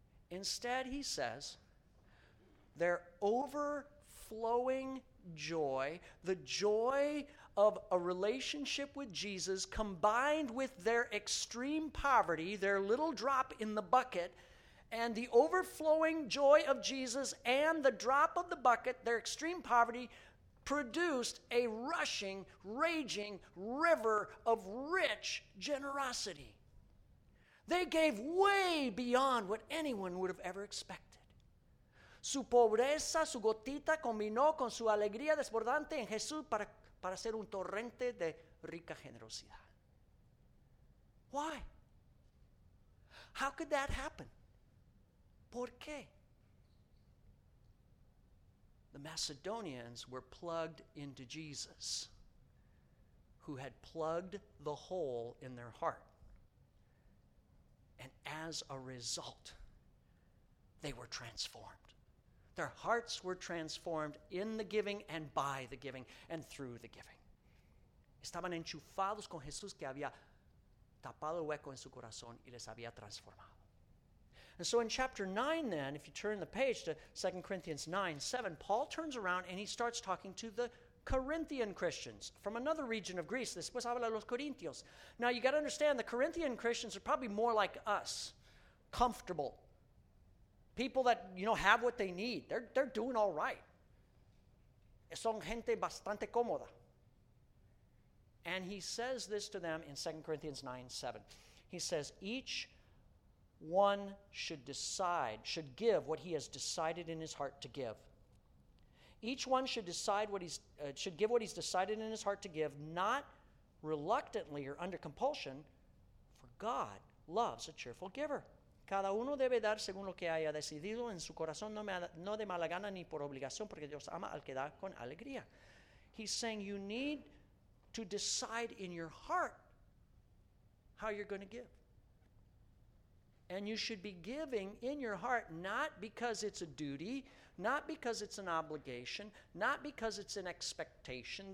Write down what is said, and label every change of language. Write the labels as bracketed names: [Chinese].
[English] Instead, he says, their overflowing joy, the joy of a relationship with Jesus, combined with their extreme poverty, their little drop in the bucket, and the overflowing joy of Jesus and the drop of the bucket, their extreme poverty, produced a rushing, raging river of rich generosity. They gave way beyond what anyone would have ever expected. [Spanish] Su pobreza, su gotita, combinó con su alegría desbordante en Jesús para ser un torrente de rica generosidad. [English] Why? How could that happen? [Spanish] ¿Por qué? [English] The Macedonians were plugged into Jesus, who had plugged the hole in their heart. And as a result, they were transformed. Their hearts were transformed in the giving and by the giving and through the giving. [Spanish] Estaban enchufados con Jesús que había tapado el hueco en su corazón y les había transformado. [English] And so in chapter 9 then, if you turn the page to 2 Corinthians 9, 7, Paul turns around and he starts talking to the Corinthian Christians from another region of Greece. [Spanish] Después habla a los Corintios. [English] Now you got to understand, the Corinthian Christians are probably more like us, comfortable. People that, you know, have what they need. They're doing all right. [Spanish] Son gente bastante cómoda. [English] And he says this to them in 2 Corinthians 9, 7. He says, each one should decide, should give what he has decided in his heart to give. Each one should decide what he's, should give what he's decided in his heart to give, not reluctantly or under compulsion, for God loves a cheerful giver. [Spanish] Cada uno debe dar según lo que haya decidido en su corazón, no de mala gana ni por obligación, porque Dios ama al que da con alegría. [English] He's saying you need to decide in your heart how you're going to give. And you should be giving in your heart, not because it's a duty, not because it's an obligation, not because it's an expectation.